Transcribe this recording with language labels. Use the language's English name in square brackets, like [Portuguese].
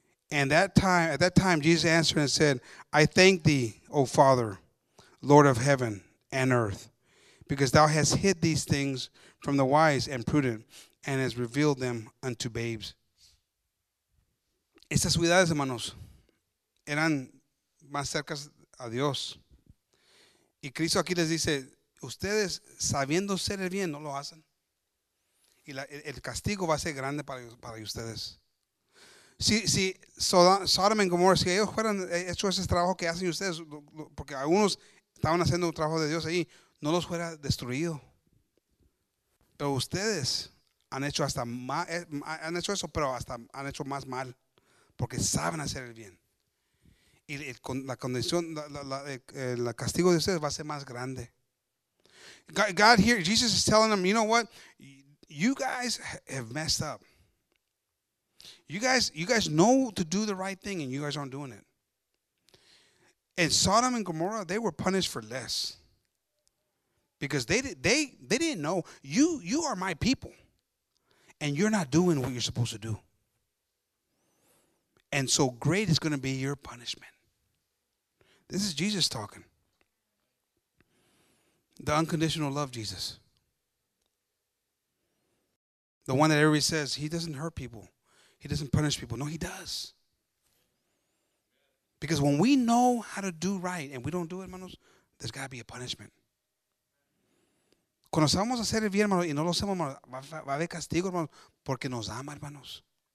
[English] And at that time, Jesus answered and said, I thank thee, O Father, Lord of heaven and earth, because thou hast hid these things from the wise and prudent and hast revealed them unto babes. [Spanish] Estas ciudades, hermanos, eran más cercas a Dios. Y Cristo aquí les dice, ustedes sabiendo ser el bien, no lo hacen. Y el castigo va a ser grande para ustedes. Si Sodom y Gomorra, si ellos fueran hecho ese trabajo que hacen ustedes, porque algunos estaban haciendo un trabajo de Dios ahí, no los fuera destruido. Pero ustedes han hecho hasta más, han hecho eso, pero hasta han hecho más mal, porque saben hacer el bien. Y la condición, el castigo de ustedes va a ser más grande. [English] God here, Jesus is telling them, you know what? You guys have messed up. You guys know to do the right thing, and you guys aren't doing it. And Sodom and Gomorrah, they were punished for less, because they didn't know. You are my people, and you're not doing what you're supposed to do. And so great is going to be your punishment. This is Jesus talking. The unconditional love, Jesus. The one that everybody says, he doesn't hurt people. He doesn't punish people. No, he does. Because when we know how to do right and we don't do it, hermanos, there's got to be a punishment. [Spanish] Cuando sabemos hacer el bien, hermanos, y no lo hacemos, hermanos, va a haber castigo, hermanos, porque nos ama, hermanos.